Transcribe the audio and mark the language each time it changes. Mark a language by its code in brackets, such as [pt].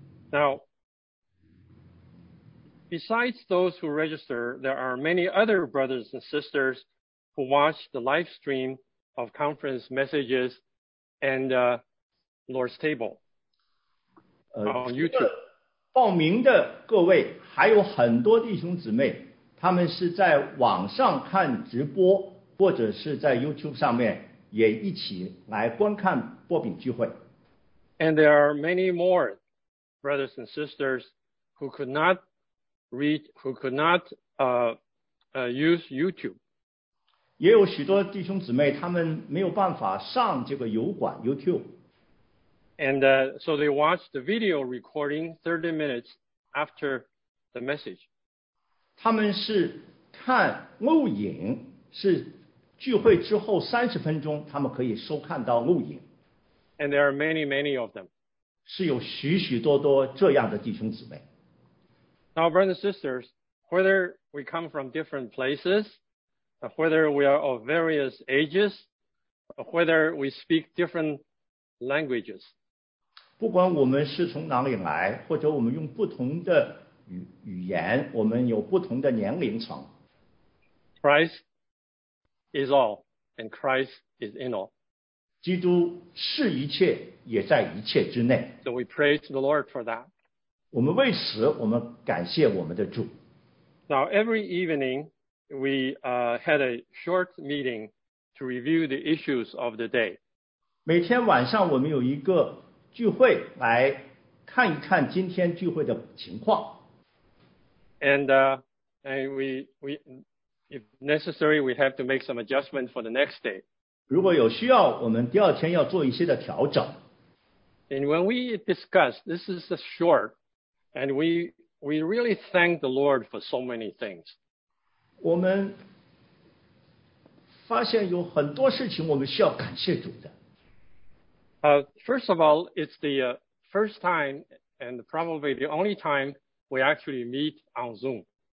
[en] Now,besides those who register, there are many other brothers and sisters who watch the live stream of conference messages and Lord's Table on YouTube. [zh] 报名的各位还有很多弟兄姊妹，他们是在网上看直播，或者是在 YouTube 上面也一起来观看波饼聚会。 [en] And there are many more brothers and sisters who could notuse YouTube. [zh] 也有许多弟兄姊妹他们没有办法上这个油管 YouTube. [en] And so they watch the video recording 30 minutes after the message. [zh] 他们是看录影，是聚会之后30分钟他们可以收看到录影。 [en] And there are many, many of them. [zh] 是有许许多多这样的弟兄姊妹。 [en] Now, brothers and sisters, whether we come from different places, whether we are of various ages, whether we speak different languages, [zh] 不管我们是从哪里来，或者我们用不同的语言，我们有不同的年龄层。 [en] Christ is all, and Christ is in all. [zh] 基督是一切，也在一切之内。 [en] So we praise the Lord for that. [zh] 我们为此，我们感谢我们的主。 [en] Now every evening we had a short meeting to review the issues of the day. [zh] 每天晚上我们有一个聚会来看一看今天聚会的情况。 [en] And we if necessary we have to make some adjustment for the next day. [zh] 如果有需要，我们第二天要做一些的调整。 [en] And when we discuss, this is a short. And we really thank the Lord for so many things. [zh] 我们发现有很多事情我们需要感谢主的。 [en] First of all, it's the first time and probably the only time we actually meet on Zoom.